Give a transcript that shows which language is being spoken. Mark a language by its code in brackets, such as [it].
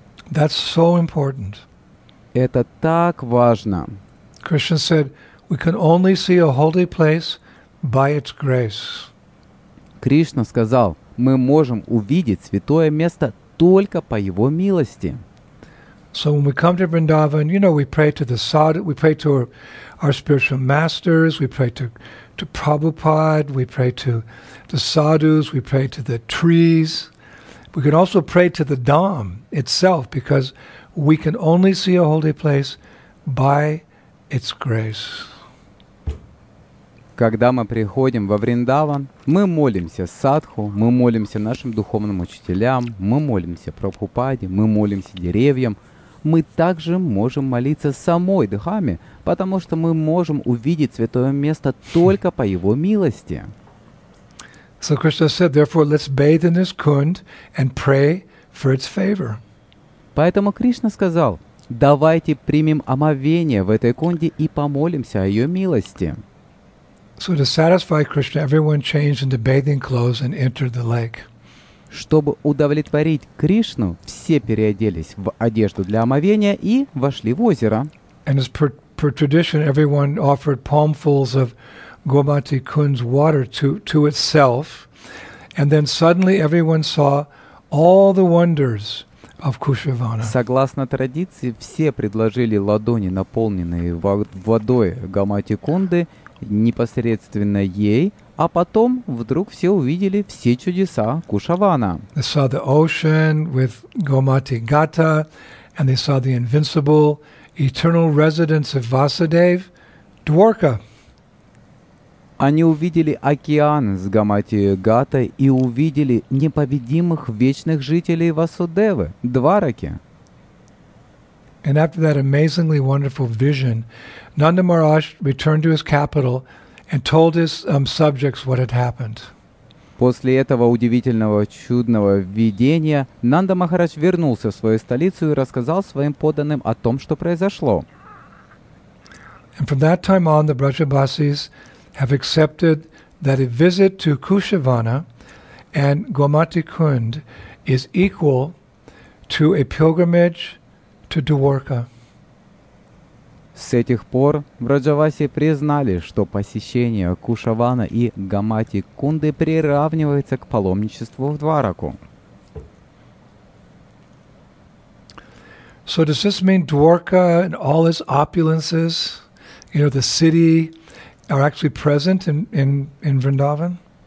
[en] That's so important. [ru] Это так важно. [en] Krishna said, we can only see a holy place by its grace. [ru] Кришна сказал: мы можем увидеть святое место только по его милости. [en] So when we come to Vrindavan, you know, we pray to the sadhu, we pray to our spiritual masters, we pray to Prabhupada, we pray to the sadhus, we pray to the trees. We can also pray to the Dham itself, because we can only see a holy place by its grace. [ru] Когда мы приходим во Вриндаван, мы молимся садху, мы молимся нашим духовным учителям, мы молимся Прабхупаде, мы молимся деревьям. Мы также можем молиться самой Дхаме, потому что мы можем увидеть святое место только по его милости. [en] So Krishna said, therefore, let's bathe in this kund and pray for its favor. [ru] Поэтому Кришна сказал: давайте примем омовение в этой кунде и помолимся о ее милости. [en] So to satisfy Krishna, everyone changed into bathing clothes and entered the lake. [ru] Чтобы удовлетворить Кришну, все переоделись в одежду для омовения и вошли в озеро. [en] And as per tradition, everyone offered palmfuls of Gomati Kund's water to itself, and then suddenly everyone saw all the wonders of Kushavana. [ru] Согласно традиции, все предложили ладони, наполненные водой Гомати Кунды, непосредственно ей, а потом вдруг все увидели все чудеса Кушавана. [en] They saw the ocean with Gomati Gata, and they saw the invincible, eternal residence of Vasudev, Dwarka. [ru] Они увидели океан с Гомати Гатой и увидели непобедимых вечных жителей Васудевы, Двараки. [en] And after that amazingly wonderful vision, Nanda Maharaj returned to his capital and told his subjects what had happened. [ru] После этого удивительного чудного видения Нанда Махарадж вернулся в свою столицу и рассказал своим подданным о том, что произошло. [en] And from that time on, the Brajabasis have accepted that a visit to Kushavana and Gomati Kund is equal to a pilgrimage to Dwarka. [ru] С этих пор Враджаваси признали, что посещение Кушавана и Гомати Кунды приравнивается к паломничеству в Двараку. [en] So does this mean Dwarka and all its opulences, you know, the city, are actually present in Vrindavan?